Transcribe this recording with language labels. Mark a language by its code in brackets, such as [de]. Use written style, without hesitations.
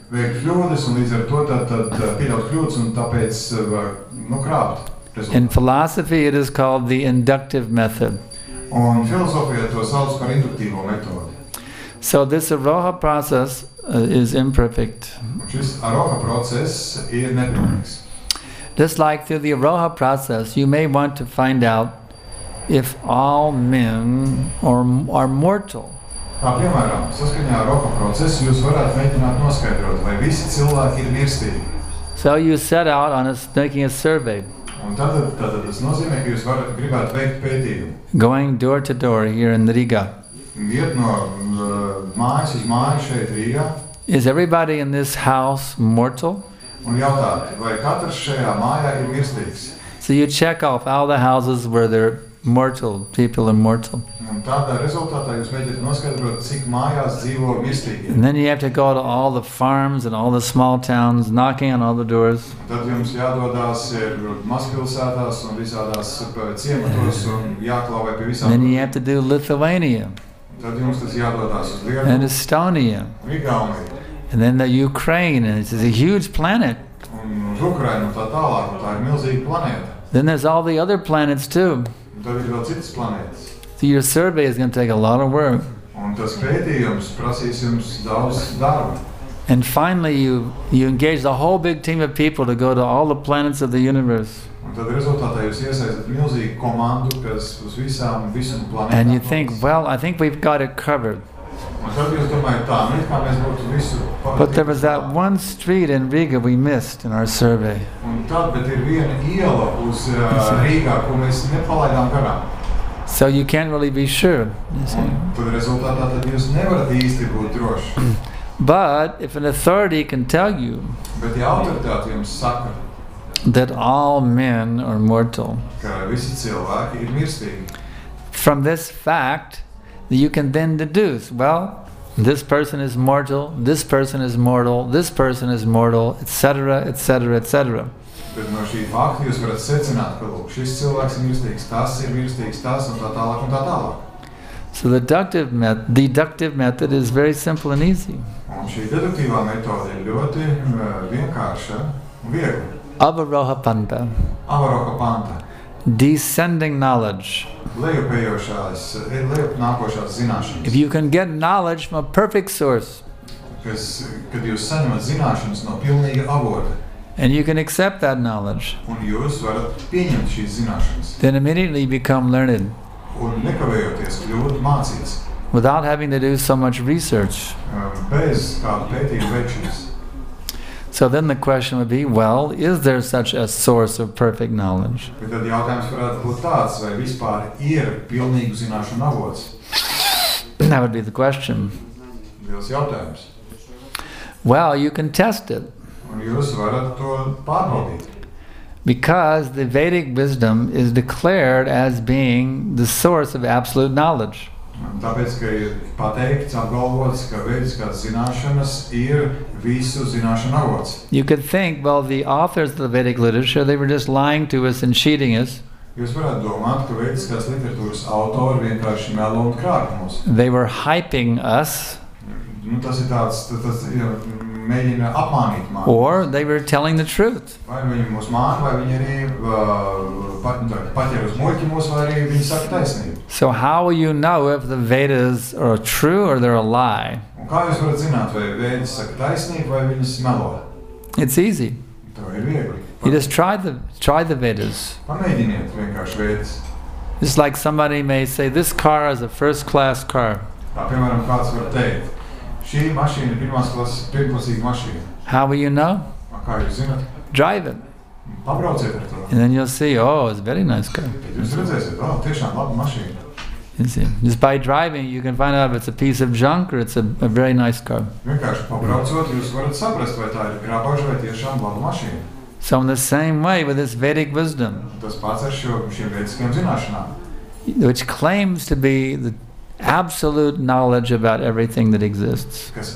[lv] Veikt kļūdas un līdz ar to tad pieļaut kļūdas un tāpēc krāpt. [en] In philosophy it is called the inductive method. [lv] Un filozofijā to sauc par induktīvo metodi. [en] So this aroha process is imperfect. [lv] Šis aroha process ir nepilnīgs. [en] Just like through the aroha process, you may want to find out if all men are mortal. [lv] Tā piemēram, saskaņā aroha procesu, jūs varētu mēģināt noskaidrot, vai visi cilvēki ir mirstīgi. [en] So you set out on making a survey. [lv] Un tātad tas nozīmē, ka jūs varat gribēt veikt pētījumu. [en] Going door to door here in Riga. [lv] Viet no mājas uz mājas šeit Rīgā. [en] Is everybody in this house mortal? [lv] Un jautāt, vai katrs šajā mājā ir mirstīgs? [en] So you check off all the houses where they're mortal, people are mortal. [lv] Un tādā rezultātā jūs mēģināt noskaidrot, cik mājās dzīvo mirstīgi. [en] And then you have to go to all the farms and all the small towns, knocking on all the doors. [lv] Tad jums jādodās mazpilsētās un visādās ciematos un jāklāvē pie visām. [en] Then you have to do Lithuania. [lv] Tad jums tas jādodās uz Lietuvu. [en] And Estonia. [lv] Igaunija. [en] And then the Ukraine, and it's a huge planet. [lv] Un uz Ukrainu tā tālāk, tā ir milzīga planēta. [en] Then there's all the other planets too. [lv] Un tad ir vēl citas planētas. [en] So your survey is going to take a lot of work. [lv] Un tas pētījums prasīs jums daudz darba. [en] And finally you engage the whole big team of people to go to all the planets of the universe. [lv] Un tad rezultātā jūs iesaistat milzīgu komandu, kas uz visām planētām. [en] And you think, well, I think we've got it covered. [lv] Un tad jūs domājat, tā, mēs kā mēs būtu visu. [en] But there was that one street in Riga we missed in our survey. [lv] Un tad, bet ir viena iela uz Rīgā, ko mēs nepalaidām garām. [en] So you can't really be sure. [lv] Tad rezultātā tad jūs nevarat īsti būt droši. [en] But if an authority can tell you, [lv] bet ja autoritāte jums saka, [en] that all men are mortal, [lv] ka visi cilvēki ir mirstīgi, [en] from this fact you can then deduce, well, this person is mortal, this person is mortal, this person is mortal, etc., etc., etc. [lv] Bet no šī fakta jūs varat secināt, ka lūk, šis cilvēks ir mirstīgs, tas, un tā tālāk, un tā tālāk. [en] So the deductive method is very simple and easy. [lv] Un šī deduktīvā metode ir ļoti vienkārša un viegla. [en] Avarohapanta. [lv] Avarohapanta. [en] Descending knowledge. [lv] Lejupējošās, lejupnākošās zināšanas. [en] If you can get knowledge from a perfect source. [lv] Kad jūs saņemat zināšanas no pilnīga avota. [en] And you can accept that knowledge. [lv] Un jūs varat pieņemt šīs zināšanas. [en] Then immediately become learned. [lv] Un nekavējoties kļūt mācīts. [en] Without having to do so much research. [lv] Bez kāda pētījuma veikšanas. [en] So then the question would be, well, is there such a source of perfect knowledge? [lv] Bet tad jautājums varētu būt tāds, vai vispār ir pilnīgu zināšanu avots? [en] That would be the question. [lv] Liels jautājums. [en] Well, you can test it. [lv] Un jūs varat to pārbaudīt. [en] Because the Vedic wisdom is declared as being the source of absolute knowledge. [lv] Tāpēc, ka ir pateikts, apgalvots, ka vediskās zināšanas ir visu zināšanu avots. [en] You could think, well, the authors of the Vedic literature, they were just lying to us and cheating us. [lv] Jūs varat domāt, ka vediskās literatūras autori vienkārši melo un krāk mūs. [en] They were hyping us. [lv] Nu, tas ir tāds, tas ir mēģina apmānīt mani. [en] Or they were telling the truth. [lv] Vai viņi mūs māk, vai viņi arī paķer uz muļķi mūs, vai arī viņi saka taisnību. [en] So how will you know if the Vedas are true or they're a lie? [lv] Un kā jūs varat zināt, vai Vedas saka taisnību, vai viņi smelo? [en] It's easy. [lv] Tā ir viegli. [en] You just try the Vedas. [lv] Pamēģiniet vienkārši Vedas. [en] It's like somebody may say, this car is a first-class car. [lv] Tā, piemēram, kāds var teikt, Šī mašīna ir pirmklasīga mašīna. [en] How will you know? [lv] Kā jūs zināt? [en] Drive it. [lv] Pabrauciet ar to. [en] And then you'll see, oh, it's very nice car. [lv] Jūs redzēsiet, oh, tiešām laba mašīna. [en] You see, just by driving, you can find out if it's a piece of junk or it's a very nice car. So in the same way with this Vedic wisdom, which claims to be the absolute knowledge about everything that exists.